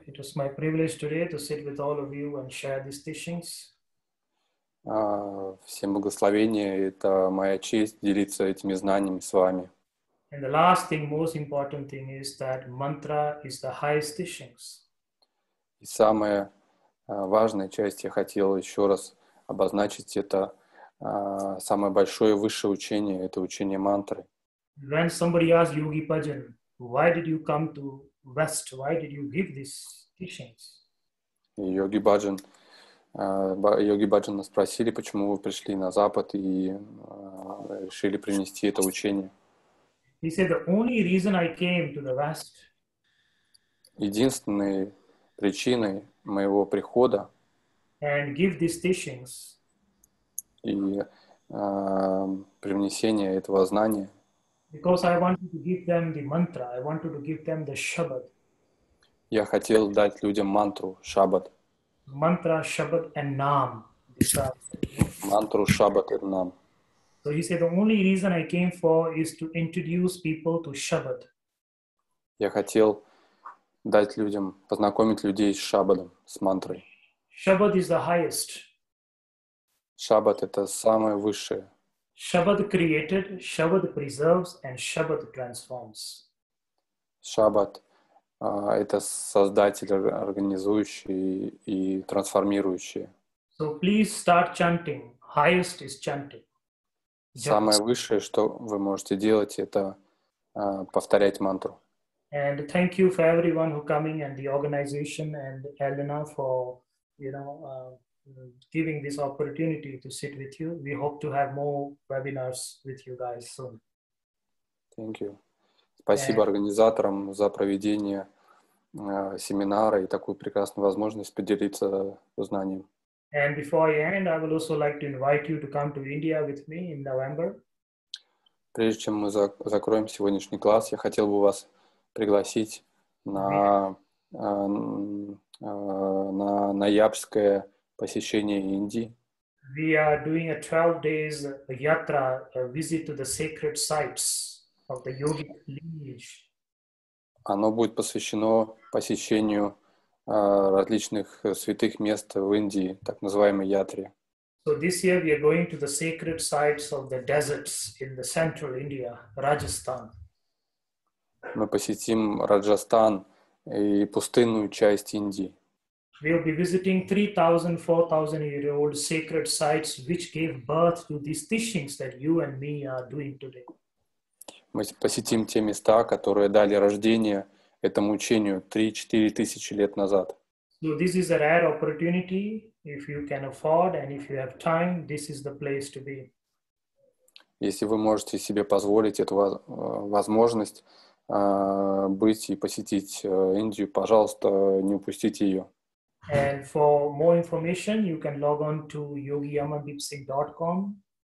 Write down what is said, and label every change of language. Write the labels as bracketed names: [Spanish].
[English] It was my privilege today to sit with all of you and share these teachings. [Russian] Всем благословения. Это моя честь делиться этими знаниями с вами. [English] And the last thing, most important thing is that mantra is the highest teachings. [Russian] И самая важная часть, я хотел еще раз обозначить, это самое большое высшее учение, это учение мантры. [English] When somebody asks Yogi Bhajan, why did you come to West? Why did you give these teachings? [Russian] Йоги Баджан нас спросили, почему вы пришли на Запад и решили принести это учение. [English] He said, the only reason I came to the West. [Russian] Единственной причиной моего прихода. [English] And give these teachings. [Russian] И привнесение этого знания. [English] Because I wanted to give them the mantra, I wanted to give them the shabad. [Russian] Я хотел дать людям мантру, шабад. [English] Mantra, shabad, and naam. [Russian] Мантру, шабад, и наам. [English] So he said, the only reason I came for is to introduce people to shabad. [Russian] Я хотел дать людям, познакомить людей с шабадом, с мантрой. [English] Шабад is the highest. [Russian] Шабад — это самое высшее. [English] Шабад created, Шабад preserves, and Шабад transforms. [Russian] Шабад — это создатель, организующий и трансформирующий. [English] So please start chanting. Highest is chanting. [Russian] Самое высшее, что вы можете делать, это повторять мантру. [English] And thank you for everyone who coming and the organization and Elena for, you know, giving this opportunity to sit with you. We hope to have more webinars with you guys soon. Thank you. [Russian] Спасибо организаторам за проведение семинара и такую прекрасную возможность поделиться знанием. [English] And before I end, I would also like to invite you to come to India with me in November. [Russian] Прежде чем мы закроем сегодняшний класс, я хотел бы вас пригласить на ноябрьское посещение Индии. [English] We are doing a 12 days yatra, a visit to the sacred sites of the yogic lineage. [Russian] Оно будет посвящено посещению различных святых мест в Индии, так называемой ятре. [English] So this year we are going to the sacred sites of the deserts in the central India, Rajasthan. [Russian] Мы посетим Раджастан и пустынную часть Индии. [English] We will be visiting 3,000-4,000-year-old sacred sites which gave birth to these teachings that you and me are doing today. [Russian] Мы посетим те места, которые дали рождение этому учению 3-4 тысячи лет назад. [English] So this is a rare opportunity. If you can afford and if you have time, this is the place to be. [Russian] Если вы можете себе позволить эту возможность быть и посетить Индию, пожалуйста, не упустите ее. [English] And for more information, you can log on to yogiyamadeepsingh.com.